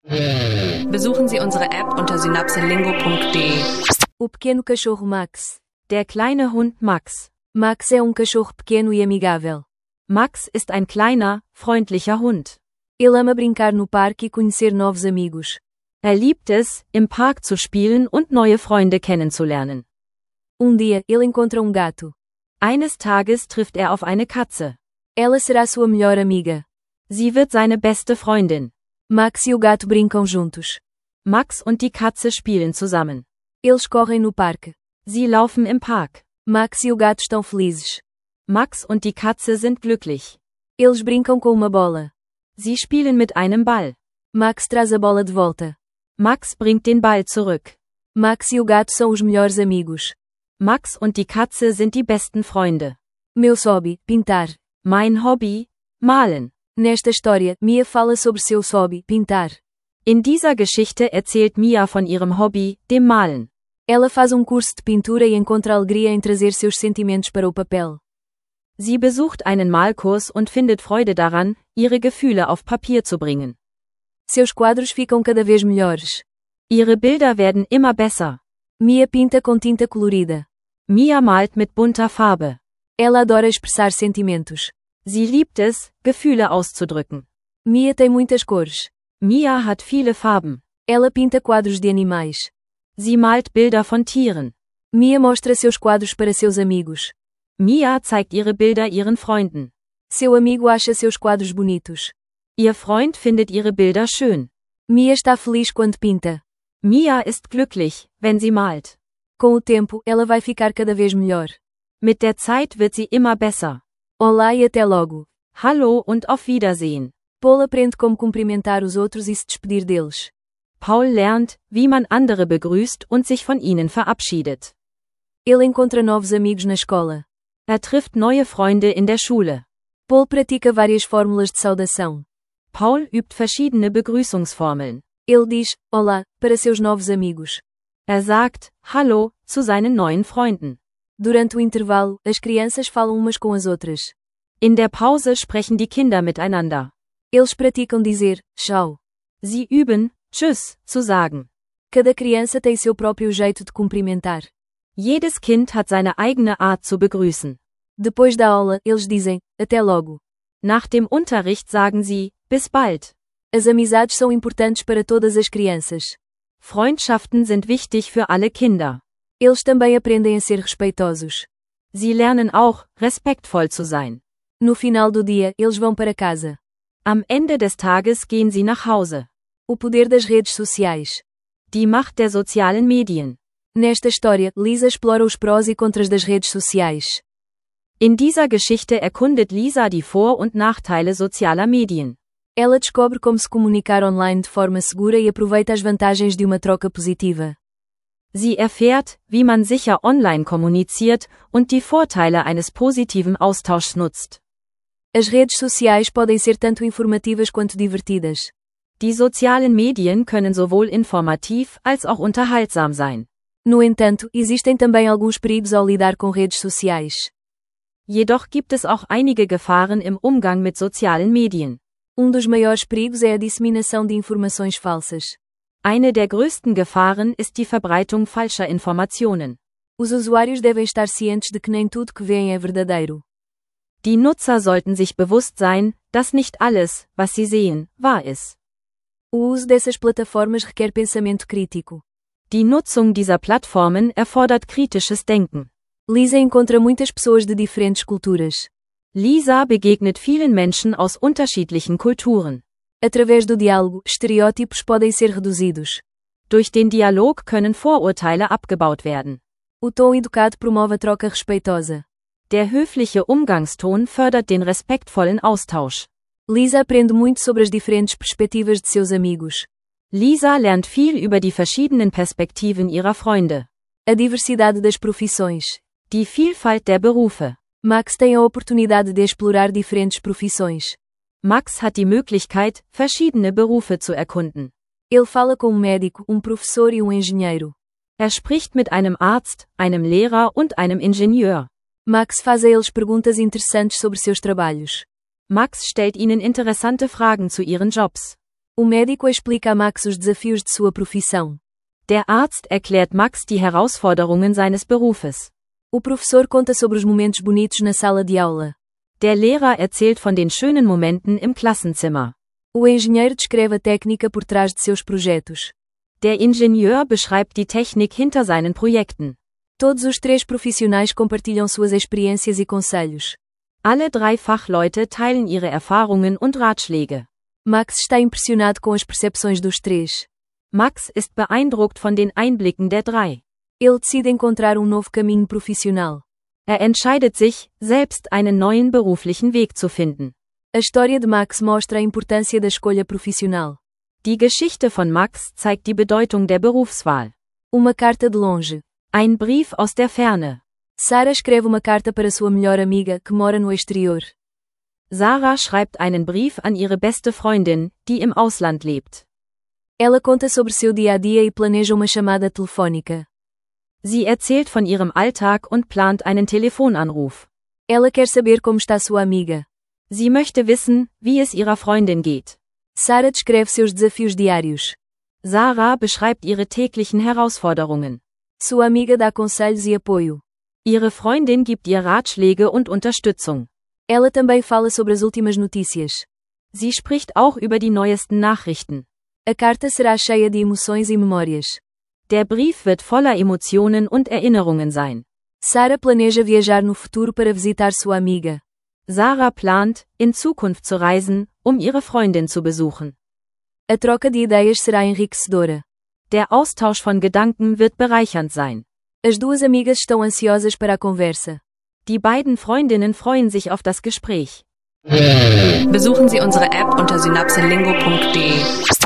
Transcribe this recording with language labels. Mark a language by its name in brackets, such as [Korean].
[German] Besuchen Sie unsere App unter synapselingo.de. [Portuguese] O pequeno cachorro Max. [German] Der kleine Hund Max. [Portuguese] Max é cachorro pequeno e amigável. [German] Max ist ein kleiner, freundlicher Hund. [Portuguese] Ele ama brincar no parque e conhecer novos amigos. [German] Er liebt es, im Park zu spielen und neue Freunde kennenzulernen. [Portuguese] Dia, ele encontra gato. [German] Eines Tages trifft er auf eine Katze. [Portuguese] Ela será sua melhor amiga. [German] Sie wird seine beste Freundin. [Portuguese] Max e o gato brincam juntos. [German] Max und die Katze spielen zusammen. [Portuguese] Eles correm no parque. [German] Sie laufen im Park. [Portuguese] Max e o gato estão felizes. [German] Max und die Katze sind glücklich. [Portuguese] Eles brincam com uma bola. [German] Sie spielen mit einem Ball. [Portuguese] Max traz a bola de volta. [German] Max bringt den Ball zurück. [Portuguese] Max e o gato são os melhores amigos. [German] Max und die Katze sind die besten Freunde. [Portuguese] Meu hobby, pintar. [German] Mein Hobby, malen. [Portuguese] Nesta história, Mia fala sobre seu hobby, pintar. [German] In dieser Geschichte erzählt Mia von ihrem Hobby, dem Malen. [Portuguese] Ela faz curso de pintura e encontra alegria em trazer seus sentimentos para o papel. [German] Sie besucht einen Malkurs und findet Freude daran, ihre Gefühle auf Papier zu bringen. [Portuguese] Seus quadros ficam cada vez melhores. [German] Ihre Bilder werden immer besser. [Portuguese] Mia pinta com tinta colorida. [German] Mia malt mit bunter Farbe. [Portuguese] Ela adora expressar sentimentos. [German] Sie liebt es, Gefühle auszudrücken. [Portuguese] Mia tem muitas cores. [German] Mia hat viele Farben. [Portuguese] Ela pinta quadros de animais. [German] Sie malt Bilder von Tieren. [Portuguese] Mia mostra seus quadros para seus amigos. [German] Mia zeigt ihre Bilder ihren Freunden. [Portuguese] Seu amigo acha seus quadros bonitos. [German] Ihr Freund findet ihre Bilder schön. [Portuguese] Mia está feliz quando pinta. [German] Mia ist glücklich, wenn sie malt. [Portuguese] Com o tempo, ela vai ficar cada vez melhor. [German] Mit der Zeit wird sie immer besser. [Portuguese] Olá e até logo. [German] Hallo und auf Wiedersehen. [Portuguese] Paul aprende como cumprimentar os outros e se despedir deles. [German] Paul lernt, wie man andere begrüßt und sich von ihnen verabschiedet. [Portuguese] Ele encontra novos amigos na escola. [German] Er trifft neue Freunde in der Schule. [Portuguese] Paul pratica várias fórmulas de saudação. [German] Paul übt verschiedene Begrüßungsformeln. [Portuguese] Ele diz, olá, para seus novos amigos. [German] Er sagt, hallo, zu seinen neuen Freunden. [Portuguese] Durante o intervalo, as crianças falam umas com as outras. [German] In der Pause sprechen die Kinder miteinander. [Portuguese] Eles praticam dizer, tchau. [German] Sie üben, tschüss, zu sagen. [Portuguese] Cada criança tem seu próprio jeito de cumprimentar. [German] Jedes Kind hat seine eigene Art zu begrüßen. [Portuguese] Depois da aula, eles dizem, até logo. [German] Nach dem Unterricht sagen sie, bis bald. [Portuguese] As amizades são importantes para todas as crianças. [German] Freundschaften sind wichtig für alle Kinder. [Portuguese] Eles também aprendem a ser respeitosos. [German] Sie lernen auch, respektvoll zu sein. [Portuguese] No final do dia, eles vão para casa. [German] Am Ende des Tages gehen sie nach Hause. [Portuguese] O poder das redes sociais. [German] Die Macht der sozialen Medien. [Portuguese] Nesta história, Lisa explora os prós e contras das redes sociais. [German] In dieser Geschichte erkundet Lisa die Vor- und Nachteile sozialer Medien. [Portuguese] Ela descobre como se comunicar online de forma segura e aproveita as vantagens de uma troca positiva. [German] Sie erfährt, wie man sicher online kommuniziert und die Vorteile eines positiven Austauschs nutzt. [Portuguese] As redes sociais podem ser tanto informativas quanto divertidas. [German] Die sozialen Medien können sowohl informativ als auch unterhaltsam sein. [Portuguese] No entanto, existem também alguns perigos ao lidar com redes sociais. [German] Jedoch gibt es auch einige Gefahren im Umgang mit sozialen Medien. [Portuguese] Dos maiores perigos é a disseminação de informações falsas. [German] Eine der größten Gefahren ist die Verbreitung falscher Informationen. [Portuguese] Os usuários devem estar cientes de que nem tudo que veem é verdadeiro. [German] Die Nutzer sollten sich bewusst sein, dass nicht alles, was sie sehen, wahr ist. [Portuguese] O uso dessas plataformas requer pensamento crítico. [German] Die Nutzung dieser Plattformen erfordert kritisches Denken. [Portuguese] Lisa encontra muitas pessoas de diferentes culturas. [German] Lisa begegnet vielen Menschen aus unterschiedlichen Kulturen. [Portuguese] Através do diálogo, estereótipos podem ser reduzidos. [German] Durch den Dialog können Vorurteile abgebaut werden. [Portuguese] O tom educado promove a troca respeitosa. [German] Der höfliche Umgangston fördert den respektvollen Austausch. [Portuguese] Lisa aprende muito sobre as diferentes perspectivas de seus amigos. [German] Lisa lernt viel über die verschiedenen Perspektiven ihrer Freunde. [Portuguese] A diversidade das profissões. [German] Die Vielfalt der Berufe. [Portuguese] Max tem a oportunidade de explorar diferentes profissões. [German] Max hat die Möglichkeit, verschiedene Berufe zu erkunden. [Portuguese] Ele fala com médico, professor e engenheiro. [German] Er spricht mit einem Arzt, einem Lehrer und einem Ingenieur. [Portuguese] Max faz a eles perguntas interessantes sobre seus trabalhos. [German] Max stellt ihnen interessante Fragen zu ihren Jobs. [Portuguese] O médico explica a Max os desafios de sua profissão. [German] Der Arzt erklärt Max die Herausforderungen seines Berufes. [Portuguese] O professor conta sobre os momentos bonitos na sala de aula. [German] Der Lehrer erzählt von den schönen Momenten im Klassenzimmer. [Portuguese] O engenheiro descreve a técnica por trás de seus projetos. [German] Der Ingenieur beschreibt die Technik hinter seinen Projekten. [Portuguese] Todos os três profissionais compartilham suas experiências e conselhos. [German] Alle drei Fachleute teilen ihre Erfahrungen und Ratschläge. [Portuguese] Max está impressionado com as percepções dos três. [German] Max ist beeindruckt von den Einblicken der drei. [Portuguese] Ele decide encontrar novo caminho profissional. [German] Entscheidet sich, selbst einen neuen beruflichen Weg zu finden. [Portuguese] A história de Max mostra a importância da escolha profissional. [German] Die Geschichte von Max zeigt die Bedeutung der Berufswahl. [Portuguese] Uma carta de longe. [German] Ein Brief aus der Ferne. [Portuguese] Sarah escreve uma carta para sua melhor amiga, que mora no exterior. [German] Sarah schreibt einen Brief an ihre beste Freundin, die im Ausland lebt. [Portuguese] Ela conta sobre seu dia-a-dia e planeja uma chamada telefônica. [German] Sie erzählt von ihrem Alltag und plant einen Telefonanruf. [Portuguese] Ela quer saber como está sua amiga. [German] Sie möchte wissen, wie es ihrer Freundin geht. [Portuguese] Sarah descreve seus desafios diários. [German] Sarah beschreibt ihre täglichen Herausforderungen. [Portuguese] Sua amiga dá conselhos e apoio. [German] Ihre Freundin gibt ihr Ratschläge und Unterstützung. [Portuguese] Ela também fala sobre as últimas notícias. [German] Sie spricht auch über die neuesten Nachrichten. [Portuguese] A carta será cheia de emoções e memórias. [German] Der Brief wird voller Emotionen und Erinnerungen sein. [Portuguese] Sarah planeja viajar no futuro para visitar sua amiga. [German] Sarah plant, in Zukunft zu reisen, um ihre Freundin zu besuchen. [Portuguese] A troca de ideias será enriquecedora. [German] Der Austausch von Gedanken wird bereichernd sein. [Portuguese] As duas amigas estão ansiosas para a conversa. [German] Die beiden Freundinnen freuen sich auf das Gespräch. Besuchen Sie unsere App unter synapsenlingo.de.